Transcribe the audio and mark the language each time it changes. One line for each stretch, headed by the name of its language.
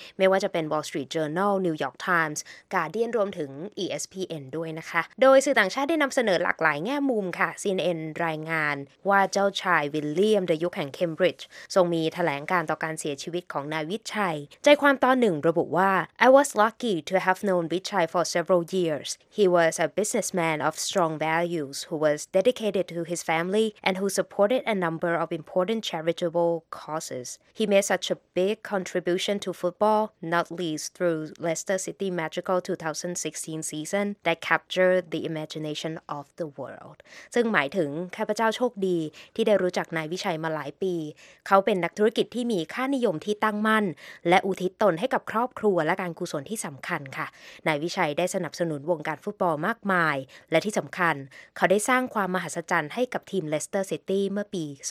Thai: ไม่ว่าจะเป็น Wall Street Journal New York Times Guardian รวมถึง ESPN ด้วยนะคะโดยสื่อต่างชาติได้นำเสนอหลากหลายแง่มุมค่ะ CNN รายงานว่าเจ้าชายวิลเลียมในยุคแห่งเคมบริดจ์ทรงมีแถลงการต่อการเสียชีวิตของนายวิชัยใจความตอนหนึ่งระบุว่า
English: I was lucky to have known Vichai for several years. He was a businessman of strong values who was dedicated to his family and who supported a number of important charitable causes. He made such a big contribution to football, not least through Leicester City Magical 2016 season that captured the imagination of the world.
Thai: ซึ่งหมายถึงข้าพเจ้าโชคดีที่ได้รู้จักนายวิชัยมาหลายปีเขาเป็นนักธุรกิจที่มีค่านิยมที่ตั้งมั่นและอุทิศตนให้กับครอบครัวและการกุศลที่สำคัญค่ะนายวิชัยได้สนับสนุนวงการฟุตบอลมากมายและที่สำคัญเขาได้สร้างความมหัศจรรย์ให้กับทีมเลสเตอร์ซิตี้เมื่อปี